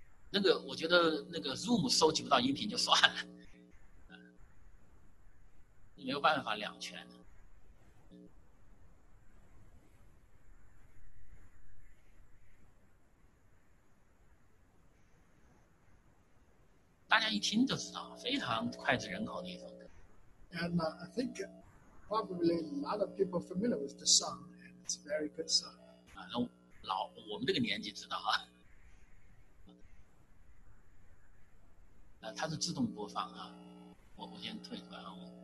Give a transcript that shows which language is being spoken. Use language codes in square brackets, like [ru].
[zh] 那个我觉得那个 Zoom 收集不到音频就算了，没有办法两全。大家一听就知道，非常脍炙人口的一首歌。 [en] And I think probably a lot of people are familiar with the song, and it's a very good song. [zh] 啊，那老我们这个年纪知道啊。它是自动播放啊，我先退出来啊。